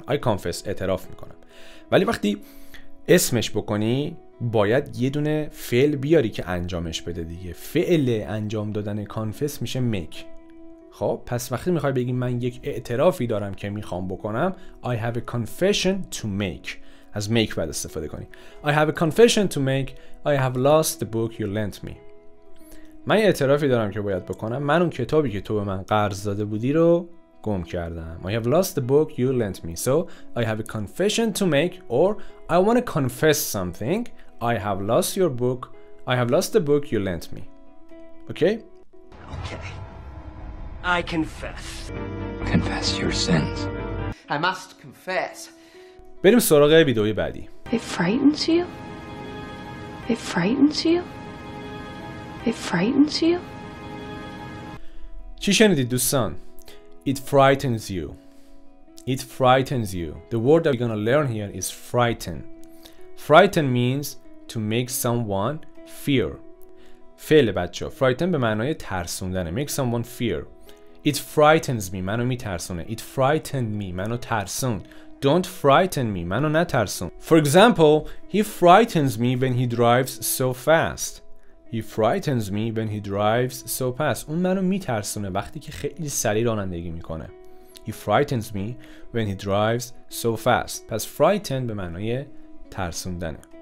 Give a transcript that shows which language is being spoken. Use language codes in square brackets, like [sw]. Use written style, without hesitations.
[en] I confess، [fa] اعتراف میکنم. ولی وقتی اسمش بکنی باید یه دونه فعل بیاری که انجامش بده دیگه. فعل انجام دادن confess میشه make. خب پس وقتی میخوای بگی من یک اعترافی دارم که میخوام بکنم، [en] I have a confession to make. [fa] از make باید استفاده کنی. [en] I have a confession to make. I have lost the book you lent me. من یه اعترافی دارم که باید بکنم. من اون کتابی که تو به من قرض داده بودی رو گم کردم. I have lost the book you lent me. So I have a confession to make or I want to confess something. I have lost your book. I have lost the book you lent me. Okay? Okay. I confess. Confess your sins. I must confess. [fa] بریم سراغ ویدئوی بعدی. [en] It frightens you? It frightens you? It frightens you? [fa] چی شنیدی دوستان؟ [en] It frightens you. It frightens you. The word that we're going to learn here is frighten. Frighten means to make someone fear. [fa] فعل بچه. Frighten به معنای ترسوندنه. [en] Make someone fear. It frightens me. [fa] منو میترسونه. [en] It frightened me. [fa] منو ترسون. [en] Don't frighten me. [fa] منو نترسون. [en] For example, he frightens me when he drives so fast. He frightens me when he drives so fast. [fa] اون منو میترسونه وقتی که خیلی سریع رانندگی میکنه. [en] He frightens me when he drives so fast. [fa] پس frighten به معنای ترسوندنه.